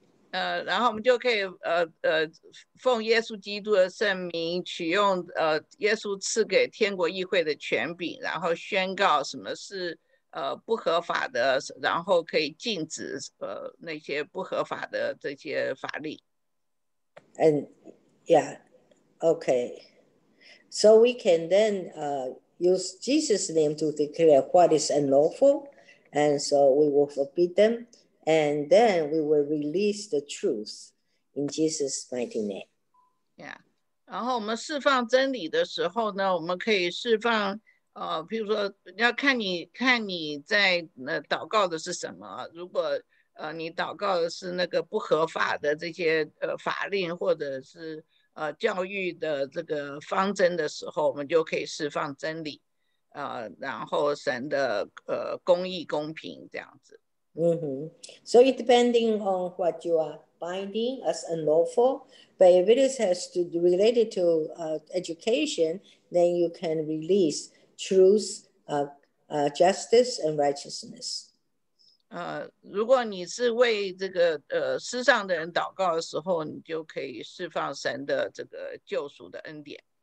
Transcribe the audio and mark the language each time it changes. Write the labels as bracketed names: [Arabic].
[Chinese] 然后我们就可以奉耶稣基督的圣名，取用耶稣赐给天国议会的权柄，然后宣告什么是不合法的，然后可以禁止那些不合法的这些法令。 [English] And yeah, okay. So we can then use Jesus' name to declare what is unlawful, and so we will forbid them, and then we will release the truth in Jesus' mighty name. Yeah. [Chinese] 然后我们释放真理的时候呢，我们可以释放譬如说要看你在祷告的是什么。如果你祷告的是那个不合法的这些法令或者是教育的这个方针的时候，我们就可以释放真理，然后神的公义公平这样子。 [English] Mm-hmm. So it depending on what you are binding as unlawful, But if it has to do related to education, then you can release truth, justice, and righteousness. [Chinese] 如果你是为这个世上的人祷告的时候，你就可以释放神的这个救赎的恩典。